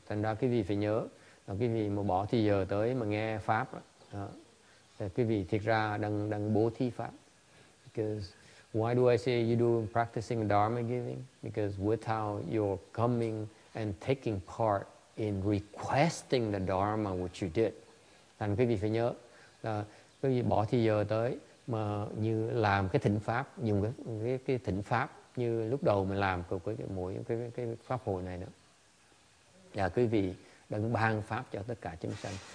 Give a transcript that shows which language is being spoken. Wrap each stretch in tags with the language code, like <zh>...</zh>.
<vi>Thành ra quý vị phải nhớ là quý vị mà bỏ thời giờ tới mà nghe pháp là quý vị thực ra đang bố thí pháp.</vi> <en>Because why do I say you do practicing Dharma giving? Because without your coming and taking part in requesting the Dharma which you did.</en> <vi>Thành quý vị phải nhớ là quý vị bỏ thời giờ tới mà như làm cái thỉnh pháp, dùng cái thỉnh pháp như lúc đầu mình làm của cái pháp hội này nữa. Và quý vị đang ban pháp cho tất cả chúng sanh.</vi>